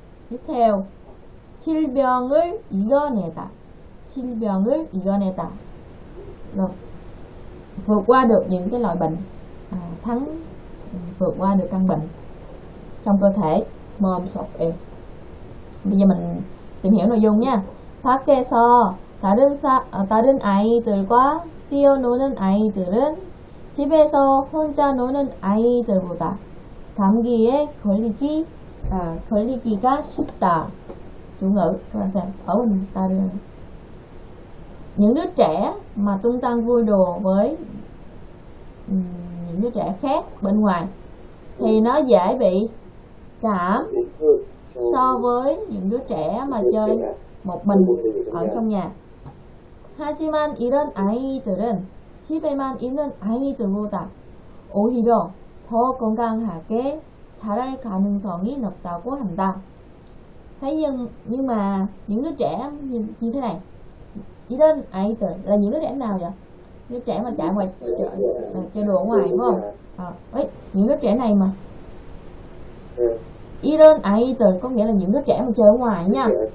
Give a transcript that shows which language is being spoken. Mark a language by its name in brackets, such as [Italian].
[Vietnamese] Tiếp theo, [Korean] 질병을 이겨내다. 질병을 이겨내다. [Vietnamese] Vượt qua được những cái loại bệnh, thắng vượt qua được căn bệnh trong cơ thể. Mồm sọc ê. Bây giờ mình tìm hiểu nội dung nha. [Korean] 밖에서 다른 아이들과 뛰어노는 아이들은 집에서 혼자 노는 아이들보다 감기에 걸리기 걸리기가 쉽다. [Vietnamese] Chủ ngữ các bạn xem ở mình ta đưa. Những đứa trẻ mà tung tăng vui đùa với những đứa trẻ khác bên ngoài thì nó dễ bị cảm so với những đứa trẻ mà chơi một mình ở trong nhà. [Korean] 하지만 이런 아이들은 집에만 있는 아이들보다 오히려 더 건강하게 자랄 가능성이 높다고 한다. [Vietnamese] Thế nhưng mà những đứa trẻ như thế này, iron aider là những đứa trẻ nào vậy? Đứa trẻ mà chạy ngoài chơi đùa ngoài đúng không? Ấy, những đứa trẻ này mà iron aider có nghĩa là những đứa trẻ mà chơi ngoài nha.